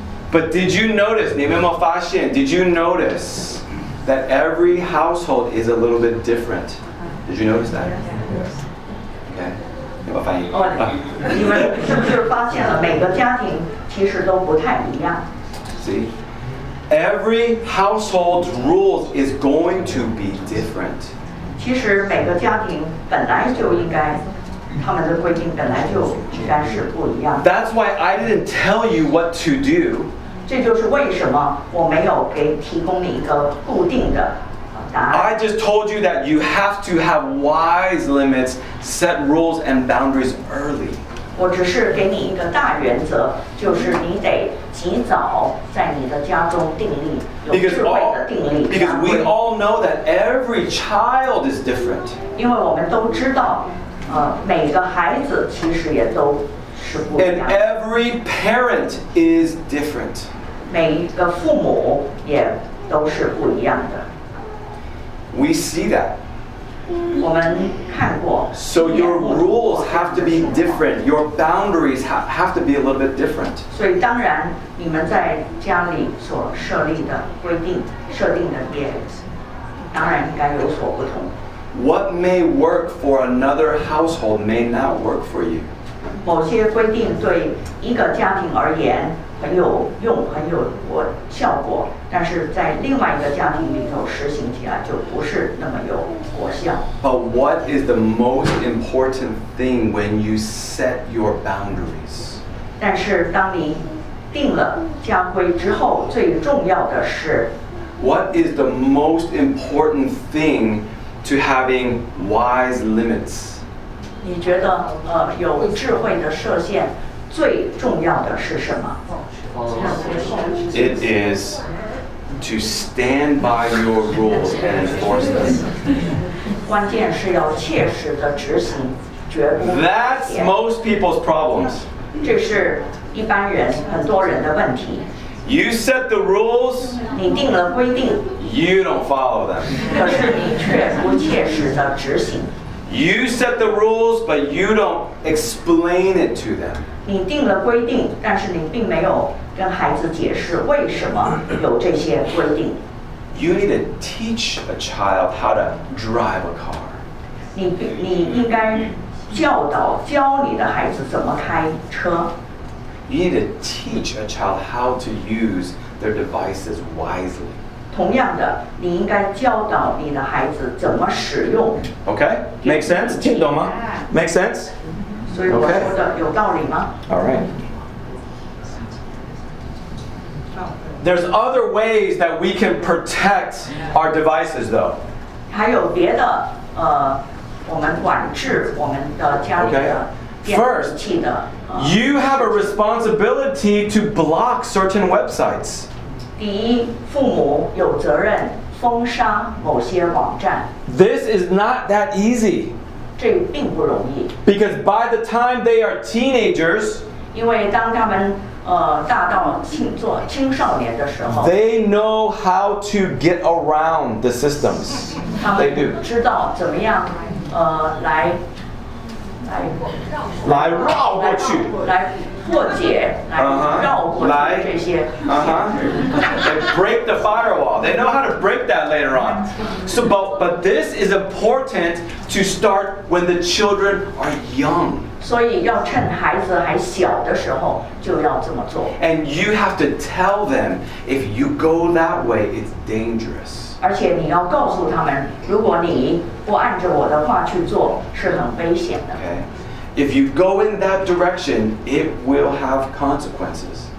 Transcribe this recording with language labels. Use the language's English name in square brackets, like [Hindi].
[English] But did you notice, [Chinese] 你们有没有发现, [English] did you notice that every household is a little bit different? Did you notice that? Yes. Okay. [Chinese] 你们发现了每个家庭其实都不太一样? [English] See? Every household's rules is going to be different. [Chinese] 其实每个家庭本来就应该他们的规定本来就应该是不一样。 [English] That's why I didn't tell you what to do. [Chinese] 这就是为什么我没有给提供你一个固定的答案。 [English] I just told you that you have to have wise limits, set rules and boundaries early. [Chinese] 我只是给你一个大原则，就是你得及早在你的家中定立有智慧的定力。 [English] Because we all know that every child is different. [Chinese] 因为我们都知道每个孩子其实也都是不一样。 [English] And every parent is different. [Chinese] 每个父母也都是不一样的。 [English] We see that. [Chinese] 我们看过。 [English] So your rules have to be different. Your boundaries have to be a little bit different. [Chinese] 所以当然，你们在家里所设立的规定、设定的也当然应该有所不同。 [English] What may work for another household may not work for you. [Chinese] 某些规定对一个家庭而言很有用、很有效果，但是在另外一个家庭里头实行起来就不是那么有果效。 [English] But what is the most important thing when you set your boundaries? [Chinese] 但是当你定了家规之后，最重要的是 [English] ，What is the most important thing to having wise limits? [Chinese] 你觉得有智慧的设限最重要的是什么？ [English] It is to stand by your rules and enforce them. [Chinese] 关键是要切实的执行，绝不。 [English] That's most people's problems. [Chinese] 这是一般人很多人的问题。 [English] You set the rules. [Chinese] 你定了规定。 [English] You don't follow them. [Chinese] 可是你却不切实的执行。 [English] You set the rules, but you don't explain it to them. [Chinese] 你定了规定，但是你并没有。跟孩子解释为什么有这些规定。 [English] You need to teach a child how to drive a car. [Chinese] 你应该教导教你的孩子怎么开车。 [English] You need to teach a child how to use their devices wisely. [Chinese] 同样的，你应该教导你的孩子怎么使用。 [English] Okay, make sense? [Chinese] 听懂吗 [English] ？Make sense? [Chinese] 所以我说的有道理吗 [English] ？All right. There's other ways that we can protect our devices, though. [Chinese] 还有别的，我们管制我们的家里的电视机的。 [English] You have a responsibility to block certain websites. [Chinese] 第一，父母有责任封杀某些网站。 [English] This is not that easy. [Chinese] 这并不容易。 [English] Because by the time they are teenagers, [Chinese] 因为当他们大到青少年的时候 [English] ，They know how to get around the systems. They do. [Chinese] 知道怎么样来绕过去，来破解，来绕过去这些。 [English] They break the firewall. They know how to break that later on. So, but this is important to start when the children are young. [Chinese] 所以要趁孩子还小的时候就要这么做。 [English] And you have to tell them if you go that way, it's dangerous. [Chinese] 而且你要告诉他们，如果你不按着我的话去做，是很危险的。 [English] Okay. If you go in that direction, it will have consequences.